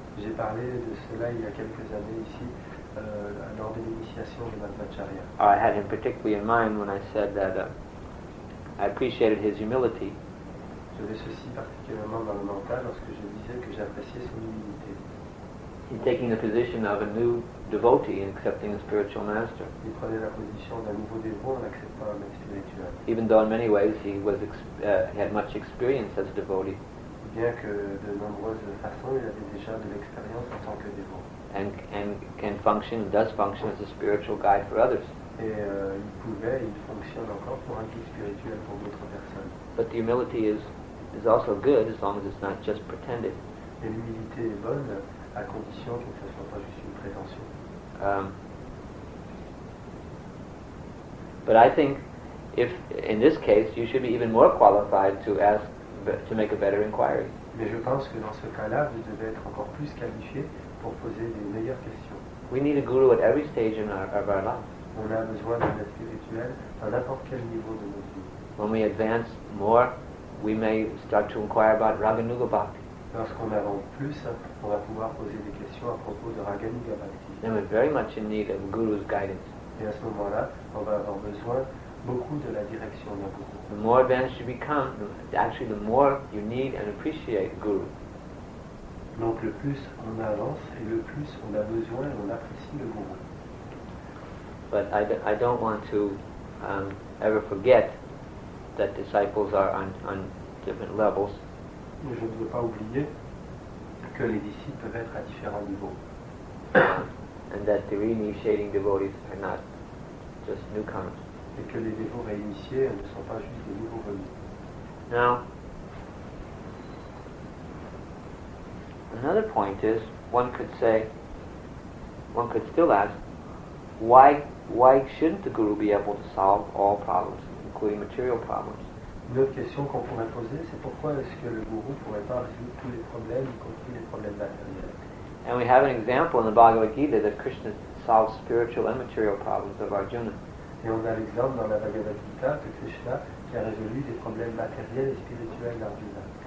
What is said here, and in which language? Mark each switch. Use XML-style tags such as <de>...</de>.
<fr>J'ai parlé de cela il y a quelques années ici, lors de l'initiation de Madhvacharya.</fr> <en>I had him particularly in mind when I said that I appreciated his humility.</en> <fr>J'avais ceci particulièrement dans le mental lorsque je disais que j'appréciais son humilité.</fr> <en>He's taking the position of a new devotee and accepting a spiritual master.</en> <fr>Il prenait la position d'un nouveau dévot en acceptant un maître spirituel.</fr> <en>Even though in many ways he was had much experience as a devotee.</en> <fr>Bien que de nombreuses façons, il avait déjà de l'expérience en tant que dévot.</fr> <en>And can function, does function as a spiritual guide for others.</en> <fr>Et il pouvait, il fonctionne encore pour un guide spirituel pour d'autres personnes.</fr> <en>But the humility is also good as long as it's not just pretended.</en> <fr>Et l'humilité est bonne. À condition que ça ne soit pas juste une prétention.</fr> <en>But I think, if in this case, you should be even more qualified to ask to make a better inquiry.</en> <fr>Mais je pense que dans ce cas-là, vous devez être encore plus qualifié pour poser des meilleures questions.</fr> <en>We need a guru at every stage in our life.</en> <fr>On a besoin d'un maître spirituel à n'importe quel niveau de notre vie.</fr> <en>When we advance more, we may start to inquire about Raghunuga Bhakti.</en> <fr>Lorsqu'on avance plus, on va pouvoir poser des questions à propos de Raghunuga Bhakti.</fr> <en>Then we're very much in need of Guru's guidance.</en> <fr>Et à ce moment-là, on va avoir besoin beaucoup de la direction d'un guru.</fr> <en>The more advanced you become, actually the more you need and appreciate guru.</en> <fr>Donc le plus on avance et le plus on a besoin et on apprécie le guru.</fr> <en>But I don't want to ever forget that disciples are on different levels.</en> <fr>Mais je ne veux pas oublier que les disciples peuvent être à différents niveaux.</fr> <en>And that the reinitiating devotees are not just newcomers.</en> <fr>Et que les dévots réinitiés ne sont pas juste des nouveaux venus.</fr> <en>Now, another point is, one could say, one could still ask, why shouldn't the guru be able to solve all problems, including material problems?</en> <fr>Une autre question qu'on pourrait poser, c'est pourquoi est-ce que le guru pourrait pas résoudre tous les problèmes, y compris les problèmes matériels?</fr> <en>And we have an example in the Bhagavad Gita that Krishna solves spiritual and material problems of Arjuna.</en> <fr>Et on a l'exemple dans la Bhagavad Gita de Krishna qui a résolu des problèmes matériels et spirituels d'Arjuna.</fr>